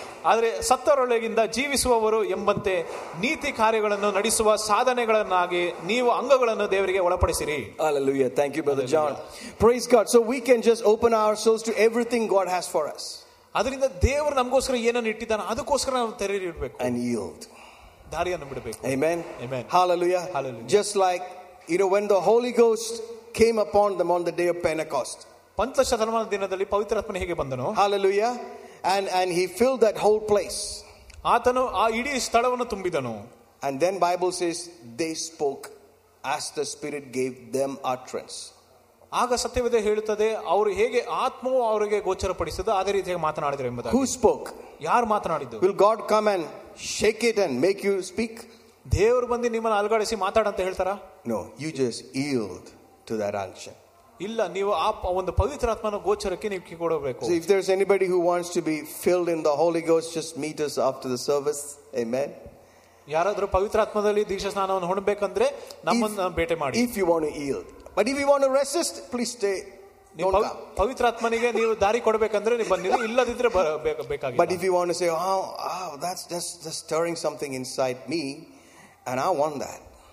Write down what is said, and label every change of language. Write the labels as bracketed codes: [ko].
[kn] ಆದರೆ ಸತ್ತರೊಳಗಿಂದ ಜೀವಿಸುವವರು ಎಂಬಂತೆ ನೀತಿ ಕಾರ್ಯಗಳನ್ನು ನಡೆಸುವ ಸಾಧನೆಗಳನ್ನಾಗಿ ನೀವು ಅಂಗಗಳನ್ನು ದೇವರಿಗೆ ಒಳಪಡಿಸಿರಿ. [en] Hallelujah. Thank you, Brother John. Praise God. So we can just open ourselves to everything God has for us. [kn] ಅದರಿಂದ ದೇವರು ನಮಗೋಸ್ಕರ ಏನನ್ನು ಇಟ್ಟಿದ್ದಾನೆ ಅದಕ್ಕೋಸ್ಕರ ನಾವು ತೆರೆಯಿಡಬೇಕು. [en] And yield. [kn] ದಾರಿಯನ್ನು ಬಿಡಬೇಕು. [en] Amen. Amen. Hallelujah. Hallelujah. Just like, you know, when the Holy Ghost came upon them on the day of Pentecost. Hallelujah. And he filled that whole place. And then Bible says they spoke as the Spirit gave them utterance. [kn] ಆಗ ಸತ್ಯವೇದೆ ಹೇಳುತ್ತದೆ ಅವರು ಹೇಗೆ ಆತ್ಮವು ಅವರಿಗೆ ಗೋಚರಪಡಿಸಿದ ಅದೇ ರೀತಿ ಮಾತನಾಡಿದರು ಎಂಬುದಾಗಿ. [en] Who spoke? [kn] ಯಾರು ಮಾತನಾಡಿದ್ದು? [en] Will God come and shake it and make you speak? [kn] ದೇವರು ಬಂದು ನಿಮ್ಮನ್ನು ಅಲುಗಾಡಿಸಿ ಮಾತಾಡ ಅಂತ ಹೇಳ್ತಾರಾ? [en] No, you just yield to that unction. [kn] ಇಲ್ಲ, ನೀವು ಆ ಒಂದು ಪವಿತ್ರಾತ್ಮನ ಗೋಚರಕ್ಕೆ ನೀವು ಕಿಕೊಡಬೇಕು. [en] So if there's anybody who wants to be filled in the Holy Ghost, just meet us after the service. Amen. [kn] ಯಾರಾದರೂ ಪವಿತ್ರಾತ್ಮದಲ್ಲಿ ದೀಕ್ಷಾಸ್ನಾನವನ್ನು ಹೊಂದಬೇಕಂದ್ರೆ ನಮ್ಮನ್ನು ಭೇಟಿ ಮಾಡಿ. [en] If you want to yield. But if you want to resist, please stay. Don't come. [kn] ಪವಿತ್ರಾತ್ಮನಿಗೆ ನೀವು ದಾರಿ ಕೊಡಬೇಕಂದ್ರೆ ನೀವು ಬನ್ನಿ, ಇಲ್ಲದಿದ್ರೆ ಬೇಕಾಗಿಲ್ಲ. [en] But if you want to say, oh, that's just stirring something inside me, and I want that.